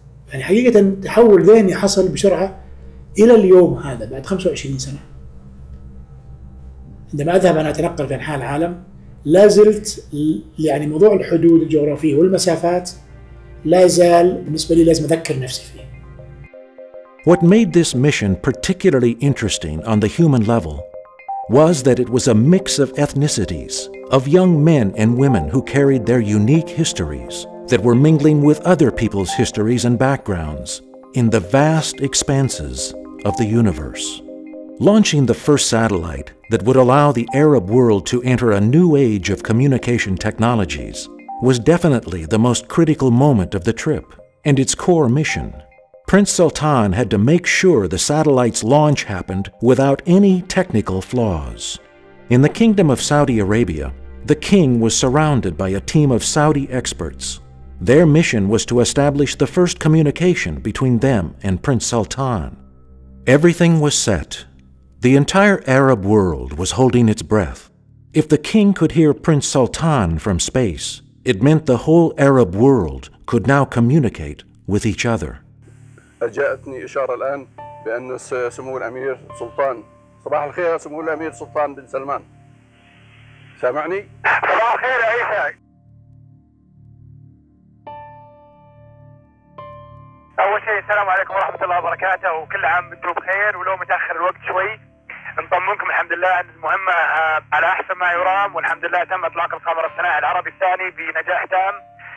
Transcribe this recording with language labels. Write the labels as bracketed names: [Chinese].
[Arabic] يعني حقيقة تحول ذهني حصل بسرعة إلى اليوم هذا بعد 25 سنة. عندما أذهب أنا أتنقل في أنحاء العالم لازلت يعني موضوع الحدود الجغرافية والمسافات لازال بالنسبة لي لازم أذكر نفسي فيه. [English] What made this mission particularly interesting on the human level was that it was a mix of ethnicities, of young men and women who carried their unique histories that were mingling with other people's histories and backgrounds in the vast expanses of the universe. Launching the first satellite that would allow the Arab world to enter a new age of communication technologies was definitely the most critical moment of the trip and its core mission. Prince Sultan had to make sure the satellite's launch happened without any technical flaws. In the Kingdom of Saudi Arabia, the king was surrounded by a team of Saudi experts. Their mission was to establish the first communication between them and Prince Sultan. Everything was set. The entire Arab world was holding its breath. If the king could hear Prince Sultan from space, It meant the whole Arab world could now communicate with each other. [Arabic] جاءتني إشارة الآن بأن سمو الأمير سلطان. صباح الخير سمو الأمير سلطان بن سلمان. سامعني؟ صباح الخير يا إيساك. أول شيء السلام عليكم ورحمة الله وبركاته، وكل عام أنتم بخير، ولو متأخر الوقت شوي نطمنكم الحمد لله أن المهمة على أحسن ما يرام، والحمد لله تم إطلاق القمر الصناعي العربي الثاني بنجاح تام.